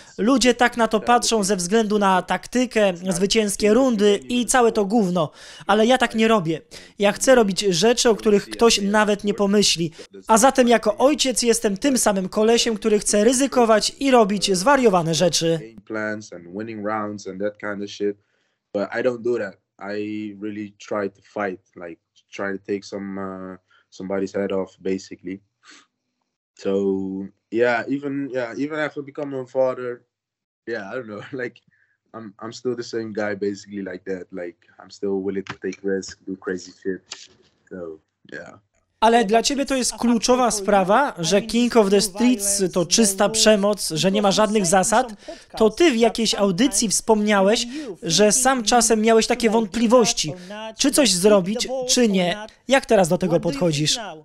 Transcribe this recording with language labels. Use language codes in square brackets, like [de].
[pl] Ludzie tak na to patrzą ze względu na taktykę, zwycięskie rundy i całe to gówno. Ale ja tak nie robię. Ja chcę robić rzeczy, o których ktoś nawet nie pomyśli. A zatem jako ojciec jestem tym samym kolesiem, który chce ryzykować i robić zwariowane rzeczy. [en] Rounds and that kind of shit, but I don't do that. I really try to fight, like try to take somebody's head off, basically. So even after becoming a father, yeah, I don't know, like I'm still the same guy, basically, like that. Like I'm still willing to take risks, do crazy shit. So yeah. [pl] Ale dla ciebie to jest kluczowa sprawa, że King of the Streets to czysta przemoc, że nie ma żadnych zasad? To ty w jakiejś audycji wspomniałeś, że sam czasem miałeś takie wątpliwości, czy coś zrobić, czy nie. Jak teraz do tego podchodzisz?